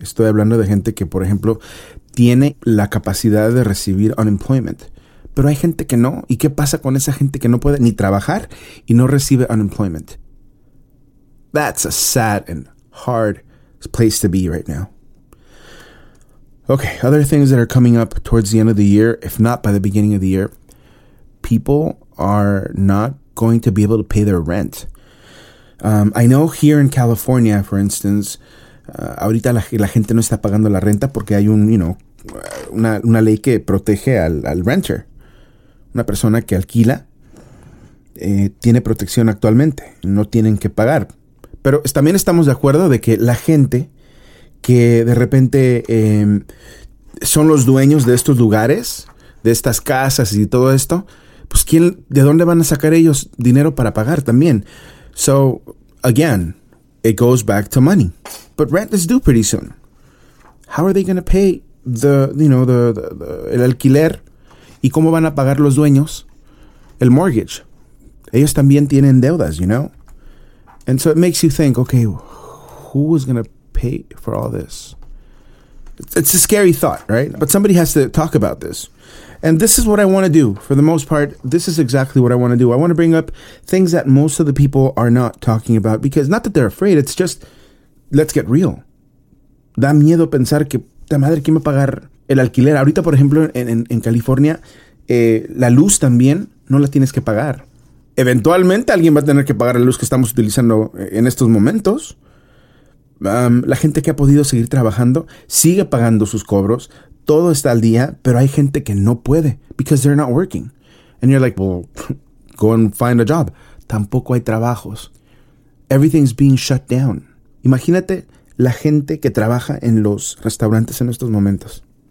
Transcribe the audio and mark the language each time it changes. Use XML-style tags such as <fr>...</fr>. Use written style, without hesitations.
<es>Estoy hablando de gente que, por ejemplo, tiene la capacidad de recibir unemployment. Pero hay gente que no. ¿Y qué pasa con esa gente que no puede ni trabajar y no recibe unemployment?</es> <en>That's a sad and hard place to be right now. Okay, other things that are coming up towards the end of the year, if not by the beginning of the year, people are not going to be able to pay their rent. I know here in California, for instance,</en> <es>ahorita la gente no está pagando la renta porque hay un,</es> <en>you know,</en> <es>una ley que protege al renter. Una persona que alquila tiene protección actualmente. No tienen que pagar. Pero también estamos de acuerdo de que la gente que de repente son los dueños de estos lugares, de estas casas y todo esto, pues quién, ¿de dónde van a sacar ellos dinero para pagar también?</es> <en>So, again, it goes back to money. But rent is due pretty soon. How are they going to pay</en> <es>el alquiler? ¿Y cómo van a pagar los dueños el mortgage? Ellos también tienen deudas,</es> <en>you know? And so it makes you think, okay, who is going to pay for all this? It's a scary thought, right? But somebody has to talk about this. And this is what I want to do. For the most part, this is exactly what I want to do. I want to bring up things that most of the people are not talking about. Because not that they're afraid, it's just, let's get real.</en> <es>Da miedo pensar que, ta madre, ¿quién va a pagar el alquiler? Ahorita, por ejemplo, en California, la luz también no la tienes que pagar. Eventualmente alguien va a tener que pagar la luz que estamos utilizando en estos momentos. La gente que ha podido seguir trabajando sigue pagando sus cobros. Todo está al día, pero hay gente que no puede</es> <en>because they're not working. And you're like, well, go and find a job.</en> <es>Tampoco hay trabajos.</es> <en>Everything's being shut down.</en> <es>Imagínate la gente que trabaja en los restaurantes en estos momentos.</es>